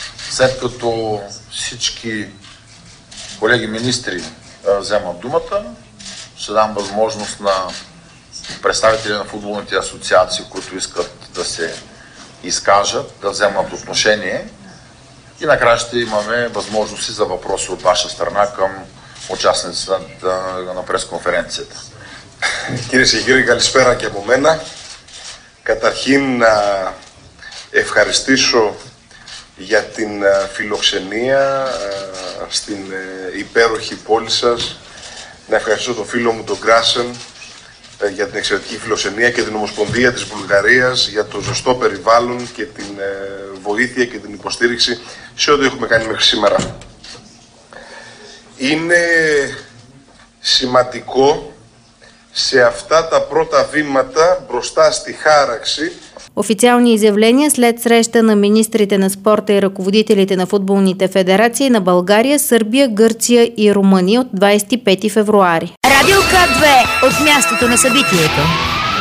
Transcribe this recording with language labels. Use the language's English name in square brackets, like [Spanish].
[Bulgarian] След като всички колеги министри вземат думата, ще дам възможност на представители на футболните асоциации, които искат да се изкажат, да вземат отношение и накрая ще имаме възможности за въпроси от ваша страна към участниците на пресконференцията. [Greek] Кирис и Гири, калиспера ке по мене. Καταρχήν να ευχαριστήσω για την φιλοξενία στην υπέροχη πόλη σας. Να ευχαριστήσω τον φίλο μου τον Γκράσεν για την εξαιρετική φιλοξενία και την Ομοσπονδία της Βουλγαρίας για το ζεστό περιβάλλον και την βοήθεια και την υποστήριξη σε ό,τι έχουμε κάνει μέχρι σήμερα. Είναι σημαντικό σε αυτά τα πρώτα βήματα μπροστά στη χάραξη. [Bulgarian] Официални изявления след среща на министрите на спорта и ръководителите на футболните федерации на България, Сърбия, Гърция и Румъния от 25 февруари. Радио К2 от мястото на събитието.